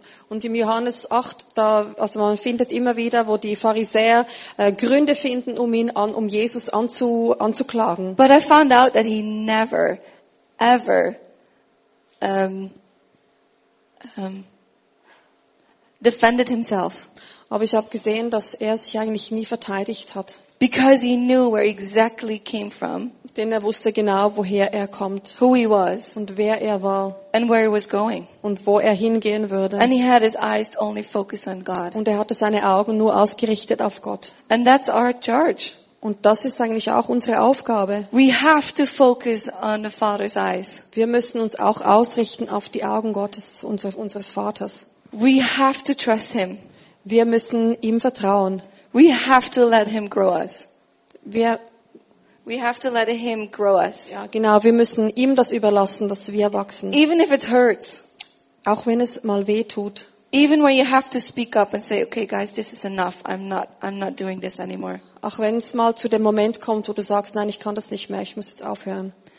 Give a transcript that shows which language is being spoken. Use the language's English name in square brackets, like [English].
[German] Und im Johannes 8, man findet immer wieder, wo die Pharisäer Gründe finden, um Jesus anzuklagen. [English] But I found out that he never, ever, defended himself. [German] Aber ich habe gesehen, dass er sich eigentlich nie verteidigt hat. [English] Because he knew where exactly came from. [German] Denn er wusste genau, woher er kommt. [English] Who he was. [German] Und wer er war. [English] And where he was going. [German] Und wo er hingehen würde. [English] And he had his eyes only focused on God. [German] Und er hatte seine Augen nur ausgerichtet auf Gott. [English] And that's our charge. [German] Und das ist eigentlich auch unsere Aufgabe. [English] We have to focus on the Father's eyes. [German] Wir müssen uns auch ausrichten auf die Augen Gottes, unseres Vaters. [English] We have to trust him. [German] Wir müssen ihm vertrauen. [English] We have to let him grow us. We have to let him grow us. [German] Ja, genau, wir müssen ihm das überlassen, dass wir wachsen. [English] Even if it hurts. [German] Auch wenn es mal weh tut. [English] Even when you have to speak up and say, okay guys, this is enough. I'm not doing this anymore. [German] Auch wenn es mal zu dem Moment kommt, wo du sagst, nein, ich kann das nicht mehr, ich muss jetzt aufhören.